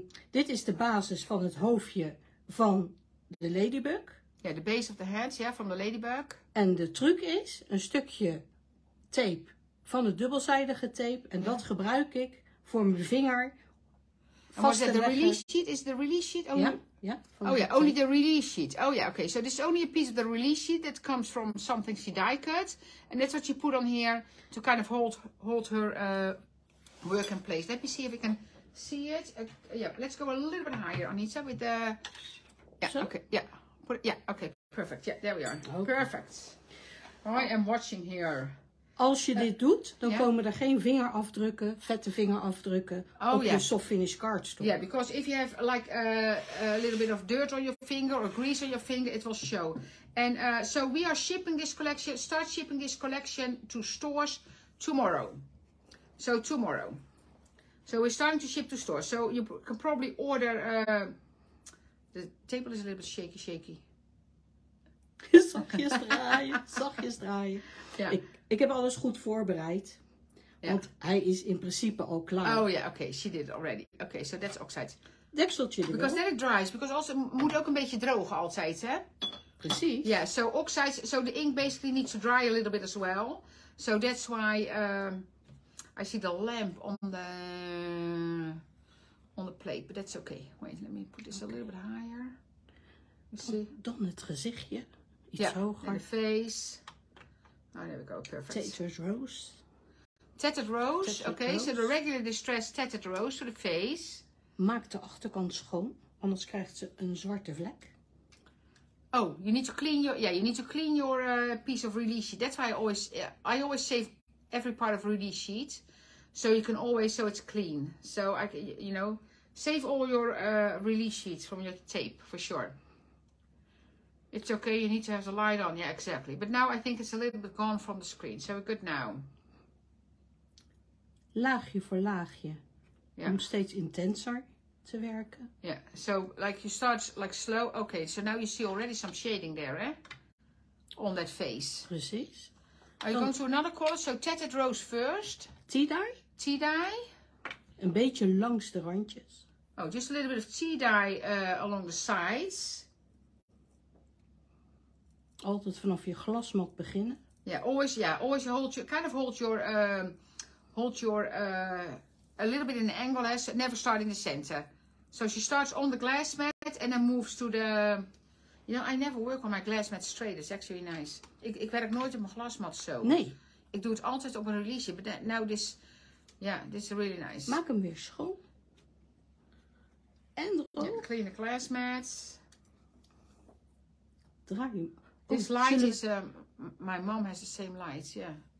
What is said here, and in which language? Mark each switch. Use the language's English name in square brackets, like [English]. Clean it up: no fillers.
[Dutch] Dit is de basis van het hoofdje van de ladybug. [English] Ja, yeah, the base of the hands, ja, yeah, [Dutch] van de ladybug. En de truc is een stukje tape van de dubbelzijdige tape. En dat gebruik ik voor mijn vinger vast te leggen. [English] The release sheet? Is the release sheet? [Dutch] Ja. [English] Only the release sheet. Oh, yeah, okay. So this is only a piece of the release sheet that comes from something she die cut. And that's what you put on here to kind of hold her work in place. Let me see if we can see it. Let's go a little bit higher, Anita, with the... Yeah, so? Okay, yeah. Yeah, okay, perfect. Yeah, there we are. Okay. Perfect. I am watching here. [Dutch] Als je dit doet, dan komen er geen vingerafdrukken, vette vingerafdrukken op je soft finish cardstock. [English] Yeah, because if you have like a little bit of dirt on your finger or grease on your finger, it will show. And so we are shipping this collection to stores tomorrow. So tomorrow. So we're starting to ship to stores. So you can probably order... The table is a little bit shaky, shaky. [Dutch] Zachtjes draaien, zachtjes draaien. Ja. Ik heb alles goed voorbereid. Ja. Want hij is in principe al klaar. [English] Oh ja, okay, she did it already. Okay, so that's oxide. [Dutch] Dekseltje erop. [English] Because then it dries. Because also [Dutch] moet ook een beetje drogen altijd, hè? Precies. [English] Ja, yeah, so oxides, so the ink basically needs to dry a little bit as well. So that's why I see the lamp on the plate, but that's okay. Wait, let me put this a little bit higher. [Dutch] See. Dan het gezichtje. Iets hoger. [English] And the face. Oh, there we go, perfect. Tattered rose. So the regular distress tattered rose for the face. [Dutch] Maak de achterkant schoon, anders krijgt ze een zwarte vlek. [English] Oh, you need to clean your, you need to clean your piece of release sheet. That's why I always save every part of release sheet. So you can always, so it's clean. So I, you know, save all your release sheets from your tape for sure. It's okay, you need to have the light on. Yeah, exactly. But now I think it's a little bit gone from the screen. So we're good now. [Dutch] Laagje voor laagje. Yeah. Om steeds intenser te werken. [English] Yeah, so like you start like slow. Okay, so now you see already some shading there, eh? On that face. [Dutch] Precies. [English] Are you going to another color? So tattered rose first. Tea dye. [Dutch] Een beetje langs de randjes. [English] Oh, just a little bit of tea dye along the sides. [Dutch] Altijd vanaf je glasmat beginnen. [English] Always hold your a little bit in the angle, so never start in the center. So she starts on the glass mat and then moves to the. You know, I never work on my glass mat straight. It's actually nice. [Dutch] Ik werk nooit op mijn glasmat zo. Nee. Ik doe het altijd op een release. [English] But now this. Yeah, this is really nice. [Dutch] Maak hem weer schoon. En droog. Yeah, [English] clean the glass mats. [Dutch] Draai hem. [English] This light is. My mom has the same light, yeah.